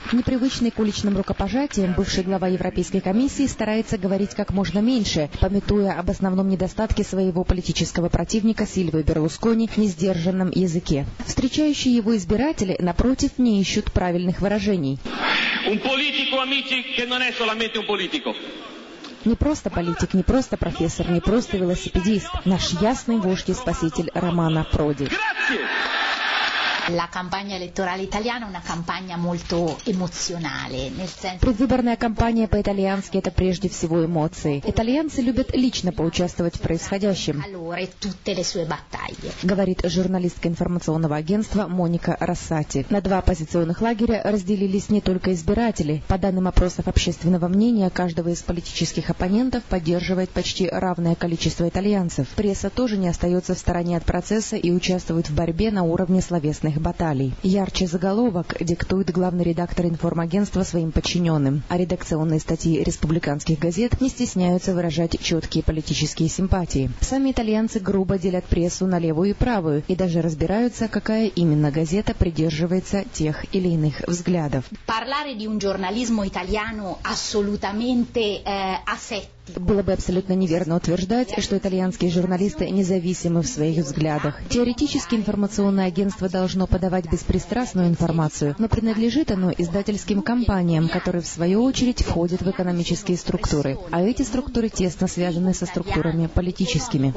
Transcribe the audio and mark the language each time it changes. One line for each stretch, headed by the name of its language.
Russian: Непривычный к уличным рукопожатиям, бывший глава Европейской комиссии старается говорить как можно меньше, памятуя об основном недостатке своего политического противника Сильвы Берлускони в несдержанном языке. Встречающие его избиратели, напротив, не ищут правильных выражений.
Italian: Un politico, amici, che non è solamente un politico.
Russian: Не просто политик, не просто профессор, не просто велосипедист. Наш ясный вождь и спаситель Романа Проди.
Italian: La campagna elettorale italiana è una campagna molto emozionale, nel senso.
Russian: Предвыборная кампания по-итальянски — это прежде всего эмоции. Итальянцы любят лично поучаствовать в происходящем.
Italian: Allora, tutte le sue battaglie.
Russian: Говорит журналистка информационного агентства Моника Россати. На два оппозиционных лагеря разделились не только избиратели. По данным опросов общественного мнения, каждого из политических оппонентов поддерживает почти равное количество итальянцев. Пресса тоже не остается в стороне от процесса и участвует в борьбе на уровне словесных баталий. Ярче заголовок диктует главный редактор информагентства своим подчиненным, а редакционные статьи республиканских газет не стесняются выражать четкие политические симпатии. Сами итальянцы грубо делят прессу на левую и правую и даже разбираются, какая именно газета придерживается тех или иных взглядов.
Italian: Parlare di un giornalismo italiano assolutamente asettico.
Russian: Было бы абсолютно неверно утверждать, что итальянские журналисты независимы в своих взглядах. Теоретически информационное агентство должно подавать беспристрастную информацию, но принадлежит оно издательским компаниям, которые в свою очередь входят в экономические структуры. А эти структуры тесно связаны со структурами политическими.